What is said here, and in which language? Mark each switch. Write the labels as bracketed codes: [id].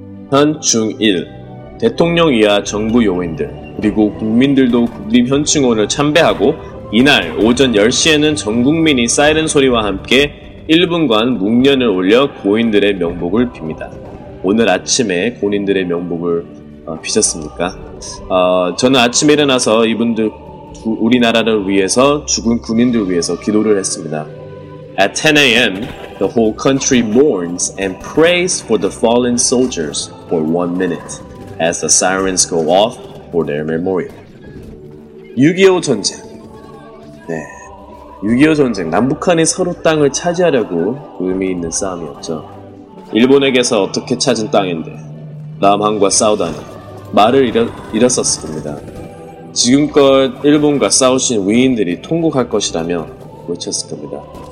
[ko] 현충일, 대통령 이하 정부 요인들, 그리고 국민들도 국립현충원을 참배하고 이날 오전 10시에는 전국민이 사이렌 소리와 함께 1분간 묵념을 올려 고인들의 명복을 빕니다. 오늘 아침에 고인들의 명복을 빚었습니까? 저는 아침에 일어나서 이분들 우리나라를 위해서 죽은 군인들 위해서 기도를 했습니다. [en] At 10 AM, the whole country mourns and prays for the fallen soldiers for 1 minute as the sirens go off for their memorial. [ko] 6.25 전쟁. 네. 6.25 전쟁, 남북한이 서로 땅을 차지하려고 의미 있는 싸움이었죠. 일본에게서 어떻게 찾은 땅인데 남한과 싸우다니 말을 잃었었을 겁니다. 지금껏 일본과 싸우신 위인들이 통곡할 것이라며 외쳤을 겁니다.